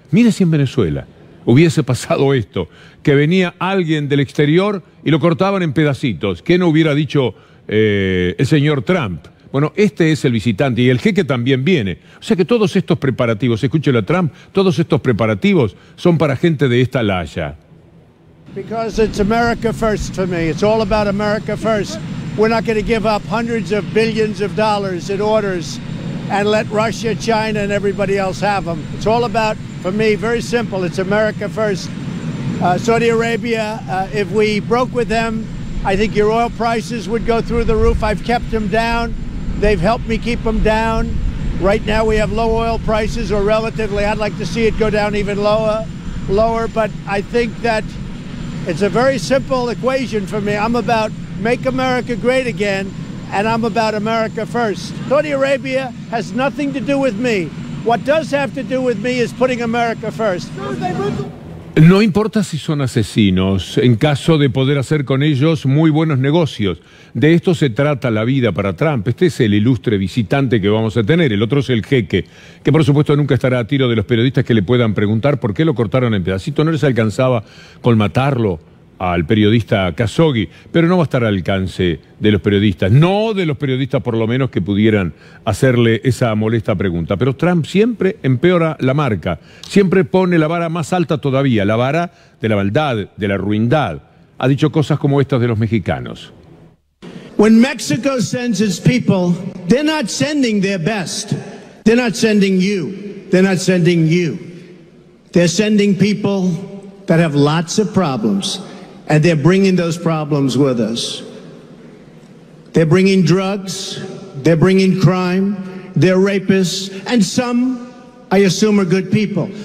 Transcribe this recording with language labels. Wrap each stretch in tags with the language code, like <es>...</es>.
<es>Mire si en Venezuela hubiese pasado esto, que venía alguien del exterior y lo cortaban en pedacitos. ¿Qué no hubiera dicho el señor Trump? Bueno, este es el visitante y el jeque también viene. O sea que todos estos preparativos, escúchelo a Trump, todos estos preparativos son para gente de esta laya.</es> <en>Because it's America first to me. It's all about America first. We're not going to give up hundreds of billions of dollars in orders and let Russia, China and everybody else have them. It's all about, for me, very simple. It's America first. Saudi Arabia, if we broke with them, I think your oil prices would go through the roof. I've kept them down. They've helped me keep them down. Right now we have low oil prices, or relatively. I'd like to see it go down even lower. But I think that It's a very simple equation for me. I'm about make America great again, and I'm about America first. Saudi Arabia has nothing to do with me. What does have to do with me is putting America first.</en> <es>No importa si son asesinos, en caso de poder hacer con ellos muy buenos negocios. De esto se trata la vida para Trump. Este es el ilustre visitante que vamos a tener. El otro es el jeque, que por supuesto nunca estará a tiro de los periodistas que le puedan preguntar por qué lo cortaron en pedacitos. No les alcanzaba con matarlo al periodista Khashoggi, pero no va a estar al alcance de los periodistas. No de los periodistas, por lo menos, que pudieran hacerle esa molesta pregunta. Pero Trump siempre empeora la marca, siempre pone la vara más alta todavía, la vara de la maldad, de la ruindad. Ha dicho cosas como estas de los mexicanos.</es> <en>When Mexico sends its people, they're not sending their best. They're not sending you. They're not sending you. They're sending people that have lots of problems. And they're bringing those problems with us. They're bringing drugs, they're bringing crime, they're rapists, and some, I assume, are good people.</en>